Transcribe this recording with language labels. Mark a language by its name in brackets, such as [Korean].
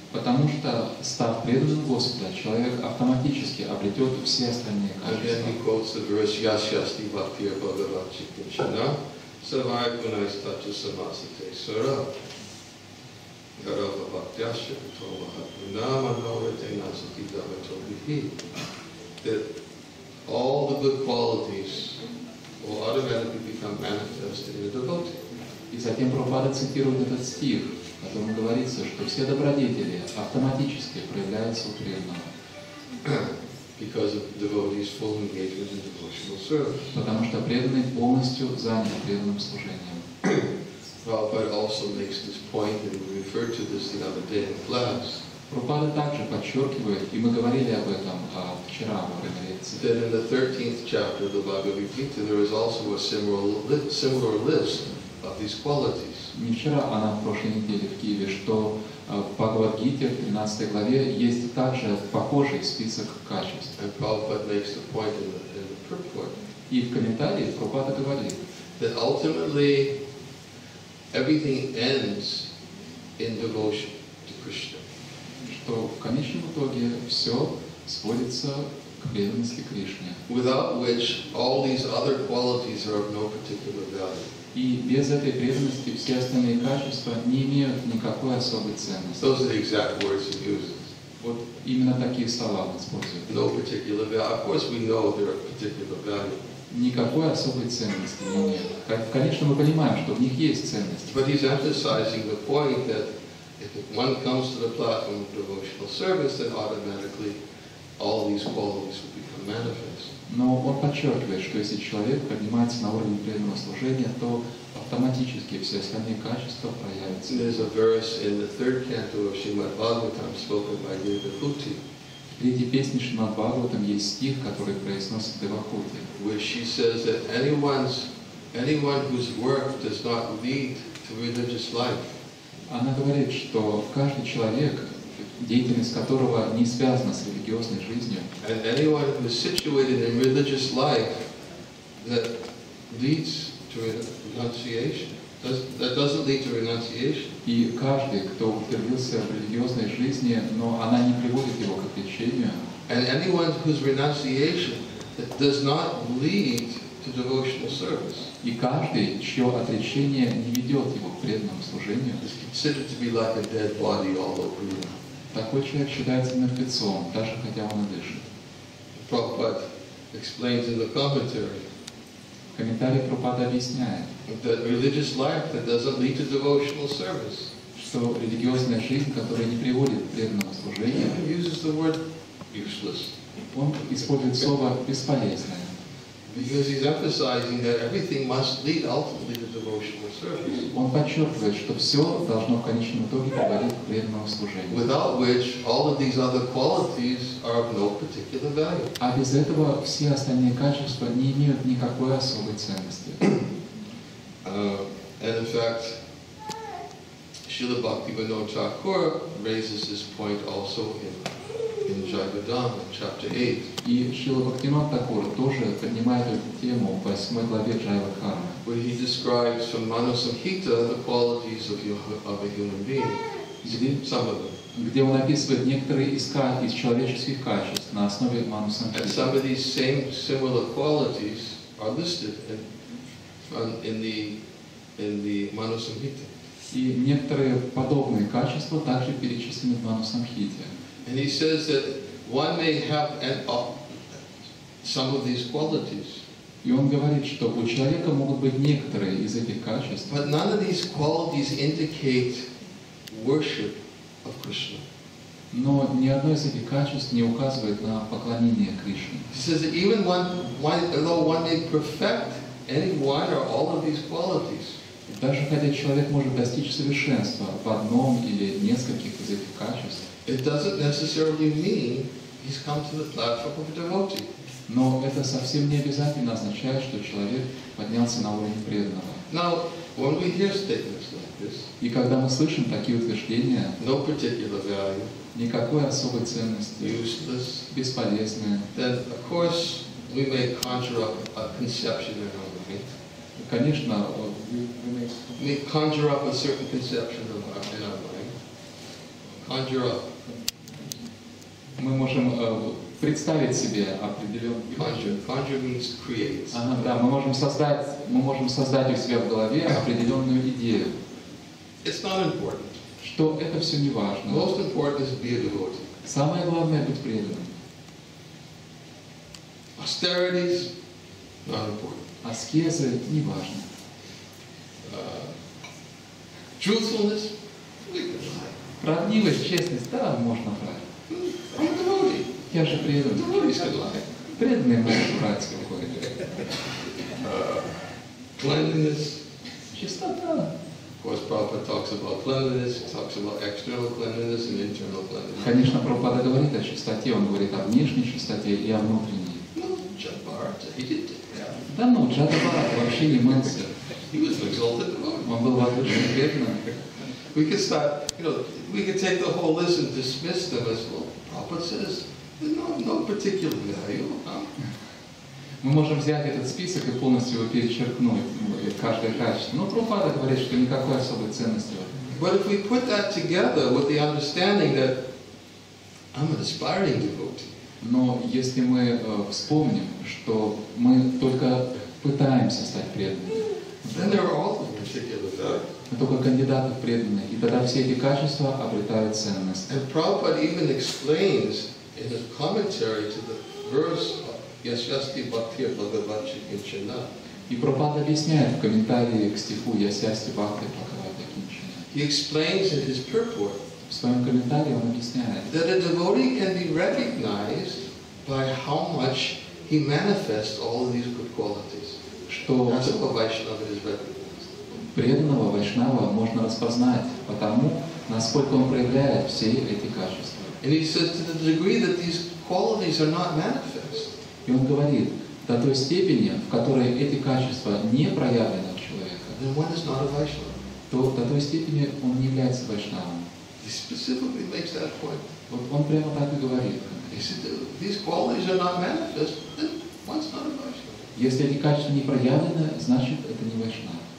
[Russian] Потому что, став преданным Господа, человек автоматически обретет все остальные качества. [English] And then he quotes the verse, [Sanskrit] Yasyasti Bhaktir Bhagavat Chikrishna, Savai Kunai Stacha Samasate Sura, Yarava Bhaktyasya Kutomahatmuna Manorite Nasati Dhamato Vihi. [English] All the good qualities will automatically become manifest in a devotee. [Russian] И затем Прабхупада цитирует этот стих, в котором говорится, что все добродетели автоматически проявляются у преданного. [English] Because of the devotee's full engagement in devotional service. [Russian] Потому что преданный полностью занят преданным служением. [English] Prabhupada also makes this point, and we referred to this the other day in class. [Russian] Прабхупада также подчеркивает, и мы говорили об этом вчера во время лекции. [English] Then in the 13th chapter of the Bhagavad Gita, there is also a similar list of these qualities. [Russian] Не вчера, а на прошлой неделе в Киеве, что в Бхагавад Гите, в 13 главе, есть также похожий список качеств. [English] And Prabhupada makes the point in the purport. [Russian] И в комментарии Прабхупада говорит, [English] that ultimately everything ends in devotion to Krishna. [Russian] То в конечном итоге все сводится к преданности Кришне. [English] Without which all these other qualities are of no particular value. [Russian] И без этой преданности все остальные качества не имеют никакой особой ценности. [English] Those are the exact words he uses. [Russian] Вот именно такие слова он использует. [English] No particular value. Of course we know they're of particular value. [Russian] Никакой особой ценности не имеют. Как, конечно, мы понимаем, что в них есть ценность. [English] But he's emphasizing the point that if one comes to the platform of devotional service, then automatically all these qualities will become manifest. [Russian] Но он подчеркивает, что если человек поднимается на уровень преданного служения, то автоматически все остальные качества проявятся. [English] There's a verse in the third canto of Srimad Bhagavatam spoken by Devahuti. [Russian] В третьей песне Шримад Бхагаватам есть стих, который произносит Девахути. [English] Where she says that anyone whose work does not lead to religious life. [Russian] Она говорит, что каждый человек, деятельность которого не связана с религиозной жизнью, [English] and anyone who is situated in religious life that leads to renunciation, that doesn't lead to renunciation. [Russian] И каждый, кто утвердился в религиозной жизни, но она не приводит его к отречению. [English] And anyone whose renunciation does not lead to devotional service. [Russian] И каждый, чье отречение не ведет его к преданному служению, [English] is considered to be like a dead body, although breathing. [Russian] Такой человек считается мертвецом, даже хотя он и дышит. [English] Prabhupada explains in the commentary. [Russian] Комментарий Прабхупада объясняет. [English] That religious life that doesn't lead to devotional service. [Russian] Что религиозная жизнь, которая не приводит к преданному служению, [English] he uses the word useless. [Russian] Он использует слово бесполезное. [English] Because he's emphasizing that everything must lead ultimately to devotional service. [Russian] Он подчеркивает, что все должно в конечном итоге приводить к преданному служению. [English] Without which all of these other qualities are of no particular value. [Russian] А без этого все остальные качества не имеют никакой особой ценности. [English] And in fact, Srila Bhaktivinoda Thakur raises this point also in in Jagadana, chapter 8. [Russian] И Шрила Бхактивинода Тхакур тоже принимает эту тему в 8 главе Джайва-дхармы. [English] Where he describes from Manu-samhita the qualities of a human being. Some of them. [Russian] Где он описывает некоторые из человеческих качеств на основе Манусамхиты. [English] And some of these same similar qualities are listed in the Manusamhita. [Russian] И некоторые подобные качества также перечислены в Манусамхите. [English] And he says that one may have some of these qualities. [Russian] И он говорит, что у человека могут быть некоторые из этих качеств. [English] But none of these qualities indicate worship of Krishna. [Russian] Но ни одно из этих качеств не указывает на поклонение Кришне. [English] He says that even one may perfect any one or all of these qualities. [Russian] Даже хотя человек может достичь совершенства в одном или нескольких из этих качеств. [English] It doesn't necessarily mean he's come to the platform of a devotee. [Russian] Но это совсем не обязательно означает, что человек поднялся на уровень преданного. [English] Now, when we hear statements like this, [Russian] и когда мы слышим такие утверждения, [English] no particular value, [Russian] никакой особой ценности, [English] useless, [Russian] бесполезные, [English] then of course we may conjure up a conception in our mind. [Russian] Конечно, [English] we conjure up a certain conception in our mind. Conjure up. [Russian] Мы можем представить себе определенный. [English] Conjure means create. [Russian] Да, мы можем создать у себя в голове определенную идею. [English] It's not important. [Russian] Что это все не важно. [English] Most important is be a devotee. [Russian] Самое главное быть преданным. [English] Austerities not important. [Russian] Аскезы не важны. [English] Truthfulness. [Russian] Правдивость, честность, да, можно врать. Я же преданный. Преданные могут врать спокойно. [English] Cleanliness. [Russian] Чистота. [English] Of course, Prabhupada talks about cleanliness, he talks about external cleanliness and internal cleanliness. [Russian] Конечно, Прабхупада говорит о чистоте, он говорит о внешней чистоте и о внутренней. [English] Ну, Джатбарата, he did that. [Russian] Да, но Джатбарата вообще не мылся. [English] He was exalted devotee. [Russian] Он был возвышенный преданный. [English] We could start, we could take the whole list and dismiss them as well. Prabhupada says, no particular value. [Russian] Мы можем взять этот список и полностью его перечеркнуть, каждое качество. Но Прабхупада говорит, что никакой особой ценности. [English] But if we put that together with the understanding that I'm an aspiring devotee. [Russian] Но если мы вспомним, что мы только пытаемся стать преданными. [English] Then there are all the particular values. [Russian] Только кандидаты преданные, и тогда все эти качества обретают ценность. [English] And Prabhupada even explains in his commentary to the verse of [Sanskrit] Yasyasti Bhaktir Bhagavachi Kinchana. [Russian] И Прабхупада объясняет в комментарии к стиху [Sanskrit] Yasyasti Bhaktir Bhagavachi Kinchana. [English] He explains in his purport. [Russian] В своем комментарии он объясняет. [English] That a devotee can be recognized by how much he manifests all of these good qualities. That's how a Vaishnava is recognized. [Russian] Преданного вайшнава можно распознать по тому, насколько он проявляет все эти качества. [English] And he says to the degree that these qualities are not manifest. [Russian] И он говорит, до той степени, в которой эти качества не проявлены в человека, [English] then one is not a vaishnava. [Russian] То до той степени он не является вайшнавом. [English] He specifically makes that point. [Russian] Вот он прямо так и говорит. [English] He said, these qualities are not manifest, then one's not a vaishnava. [Russian] Если эти качества не проявлены, значит это не вайшнава.